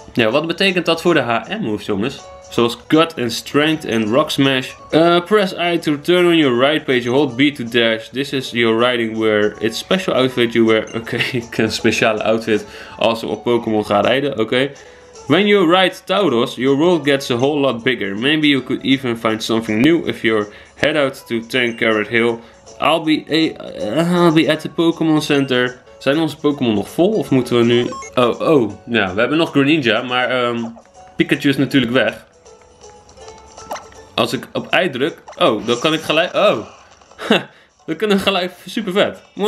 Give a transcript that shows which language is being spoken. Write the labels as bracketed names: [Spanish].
[Dutch] Ja, wat betekent dat voor de HM-moves, jongens? Zoals Cut and Strength en Rock Smash. [English] Press I to turn on your ride page. Hold B to dash. This is your riding wear. It's special outfit you wear. [Dutch] Oké, ik heb een speciale outfit als we op Pokémon gaan rijden. [English] Oké. When you ride Tauros, your world gets a whole lot bigger. Maybe you could even find something new if you head out to 10 Carat Hill. I'll be at the Pokémon Center. [Dutch] Zijn onze Pokémon nog vol of moeten we nu... Oh, ja, we hebben nog Greninja, maar... Pikachu is natuurlijk weg. Als ik op I druk, oh, dan kan ik gelijk, oh. We kunnen gelijk, super vet.